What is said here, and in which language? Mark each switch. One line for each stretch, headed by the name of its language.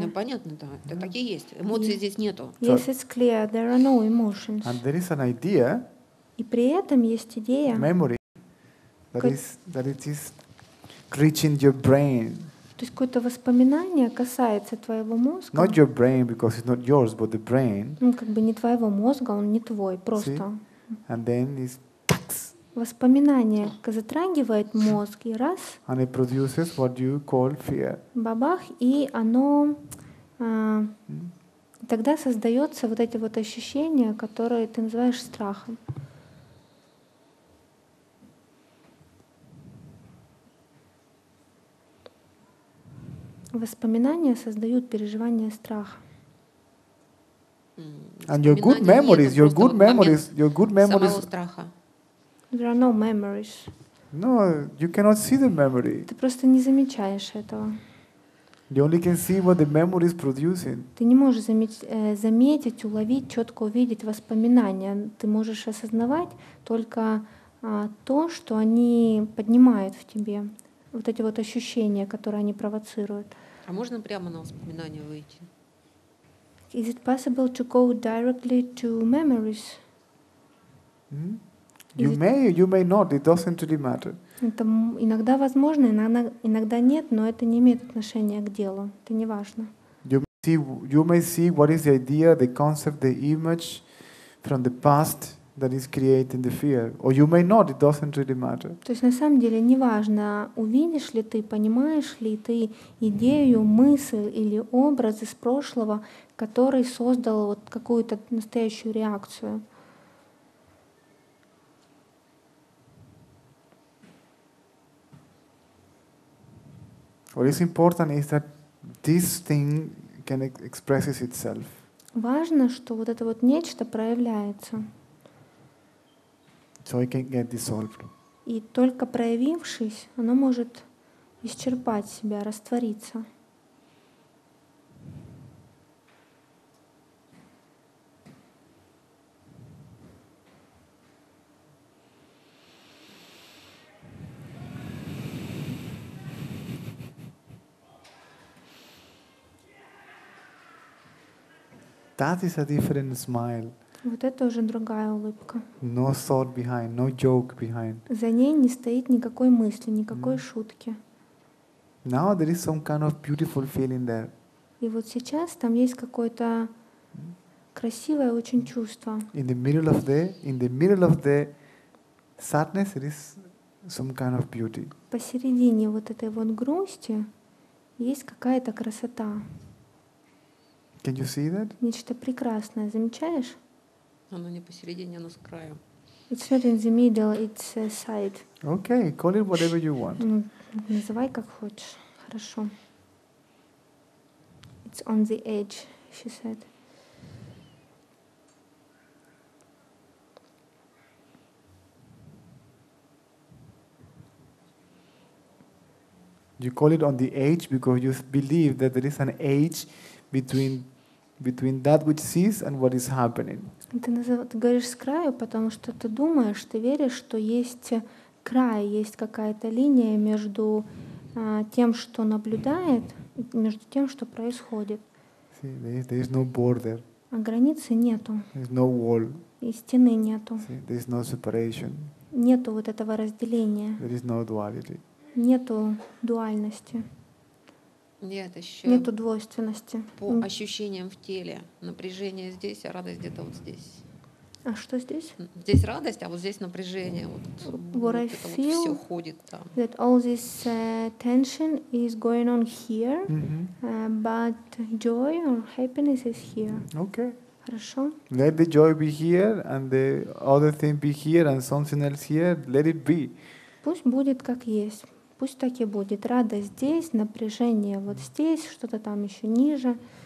Russian: Ну понятно, да. Это так и есть. Эмоций здесь нету.
English: Yes, it's clear. There are no emotions. And there is an idea.
Russian: И при этом есть идея.
English: Memory. That it is reaching your brain.
Russian: То есть какое-то воспоминание касается твоего мозга.
English: Not your brain because it's not yours, but the brain.
Russian: Ну как бы не твоего мозга, он не твой, просто.
English: And then it's
Russian: воспоминание затрагивает мозг и раз.
English: And it produces what you call fear.
Russian: Бабах, и оно тогда создается вот эти вот ощущения, которые ты называешь страхом. Воспоминания создают переживание страха.
English: And your good memories, your good memories, your good memories.
Russian: Самого страха.
English: There are no memories. No, you cannot see the memory.
Russian: Ты просто не замечаешь этого.
English: You only can see what the memory is producing.
Russian: Ты не можешь заметить, уловить, четко увидеть воспоминания. Ты можешь осознавать только то, что они поднимают в тебе. Вот эти вот ощущения, которые они провоцируют. А можно прямо на воспоминания выйти?
English: Is it possible to go directly to memories? You may not. It doesn't really matter.
Russian: Это иногда возможно, иногда нет, но это не имеет отношения к делу. Это не важно.
English: You may see what is the idea, the concept, the image from the past that is creating the fear, or you may not. It doesn't really matter.
Russian: То есть на самом деле не важно, увидишь ли ты, понимаешь ли ты идею, мысль или образ из прошлого, который создал вот какую-то настоящую реакцию.
English: What is important is that this thing can express itself.
Russian: Важно, что вот это вот нечто проявляется.
English: So it can get dissolved.
Russian: И только проявившись, оно может исчерпать себя, раствориться.
English: That is a different smile.
Russian: Вот это уже другая улыбка.
English: No thought behind, no joke behind.
Russian: За ней не стоит никакой мысли, никакой шутки.
English: Now there is some kind of beautiful feeling there.
Russian: И вот сейчас там есть какое-то красивое очень чувство.
English: In the middle of the, sadness, there is some kind of beauty.
Russian: Посередине вот этой вот грусти есть какая-то красота.
English: Can you see that?
Russian: Нечто прекрасное, замечаешь? Оно не посередине, оно с краю.
English: It's not in the middle, it's a side. Okay, call it whatever you want.
Russian: Называй как хочешь. Хорошо.
English: It's on the edge, she said. You call it on the edge because you believe that there is an edge between that which sees and what is happening.
Russian: Ты говоришь с краю, потому что ты думаешь, ты веришь, что есть край, есть какая-то линия между тем, что наблюдает, между тем, что происходит.
English: See, there is no border.
Russian: А границы нету.
English: There is no wall.
Russian: И стены нету.
English: See, there is no separation.
Russian: Нету вот этого разделения.
English: There is no duality.
Russian: Нету дуальности. Нет, еще нету двойственности. По ощущениям в теле. Напряжение здесь, а радость где-то вот здесь. А что здесь? Здесь радость, а вот здесь напряжение. Вот,
English: what
Russian: вот
English: I feel
Russian: вот все ходит там.
English: That all this tension is going on here, but joy or happiness is here. Okay.
Russian: Хорошо.
English: Let the joy be here and the other thing be here and something else here. Let it be.
Russian: Пусть будет как есть. Пусть так и будет. Радость здесь, напряжение вот здесь, что-то там еще ниже.